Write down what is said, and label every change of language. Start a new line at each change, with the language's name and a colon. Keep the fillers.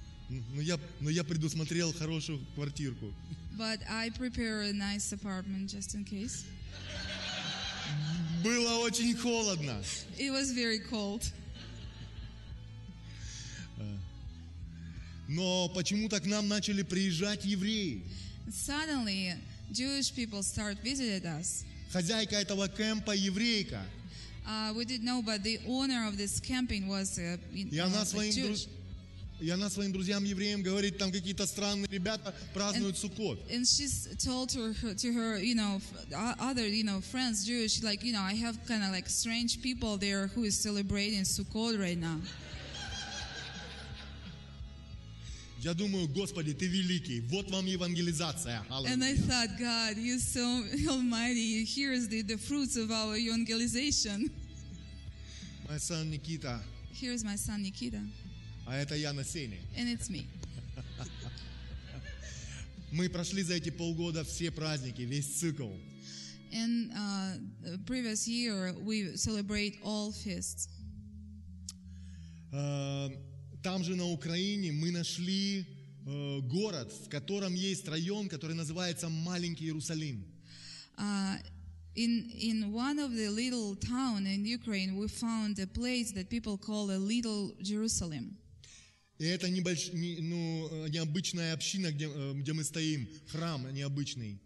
Russian: Но я, но я предусмотрел хорошую квартирку.
English: But I prepare a nice apartment just in case.
Russian: Было очень холодно.
English: It was very cold.
Russian: Но почему так нам начали приезжать евреи?
English: Suddenly, Jewish people start visiting us
Russian: хозяйка этого кемпа еврейка.
English: Uh, we didn't know, but the owner of this camping was a uh, Jewish.
Russian: И она своим друзьям евреям говорит, там какие-то странные ребята празднуют Суккот.
English: And she's told to her, to her, you know, other, you know, friends, Jewish, like, you know, I have kind of like strange people there who is celebrating Sukkot right now.
Russian: Я думаю, Господи, ты великий. Вот вам евангелизация. Hallelujah.
English: And I thought, God, you so almighty. Here is the, the fruits of our evangelization. My son Nikita. Here is my son Nikita.
Russian: А это я на сцене.
English: And it's me.
Russian: Мы прошли за эти полгода все праздники, весь цикл.
English: In uh, the previous year, we celebrate all feasts.
Russian: Uh, там же на Украине мы нашли э, город, в котором есть район, который называется Маленький Иерусалим.
English: Uh, in, in, one of the little town in Ukraine we found a place that people call a little Jerusalem.
Russian: И это небольш, не, ну, необычная община, где, где мы стоим, храм необычный.